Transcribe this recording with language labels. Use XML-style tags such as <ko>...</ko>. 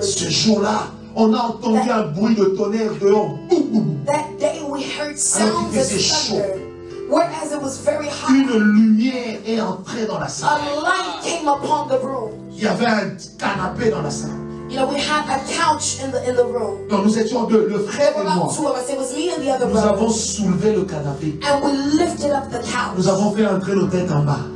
<fr>Ce jour-là, on a entendu un bruit de tonnerre dehors.</fr> <en>That day we heard sounds of thunder. Whereas it was very hot.</en> <fr>Une lumière est entrée dans la salle.</fr> <en>A light came upon the room.</en> <fr>Il y avait un canapé dans la salle.</fr> <en>You know, we had a couch in the room.</en> <fr>Non, nous étions deux, le frère et moi.</fr> <en>There were about two of us. It was me and the other</en> <fr>brother. Nous avons soulevé le canapé.</fr> <en>And we lifted up the couch.</en> <fr>Nous avons fait entrer nos têtes en bas.</fr>